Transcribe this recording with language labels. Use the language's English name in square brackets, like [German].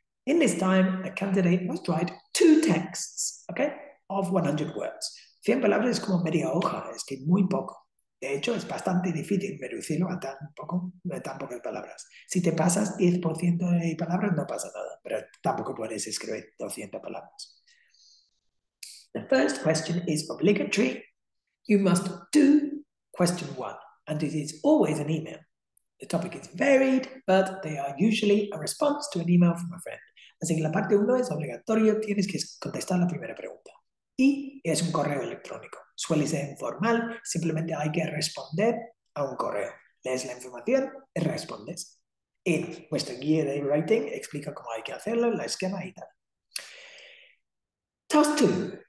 [English] In this time, a candidate must write two texts, okay, of 100 words. [Spanish] 100 palabras es como media hoja, es que muy poco. De hecho, es bastante difícil reducirlo a tan pocas palabras. Si te pasas 10% de palabras, no pasa nada, pero tampoco puedes escribir 200 palabras. [English] The first question is obligatory. You must do question one, and it is always an email. The topic is varied, but they are usually a response to an email from a friend. [Spanish] Así que la parte uno es obligatorio, tienes que contestar la primera pregunta. Y es un correo electrónico. Suele ser informal, simplemente hay que responder a un correo. Lees la información y respondes. En vuestra guía de writing explica cómo hay que hacerlo, la esquema y tal. [English] Task two.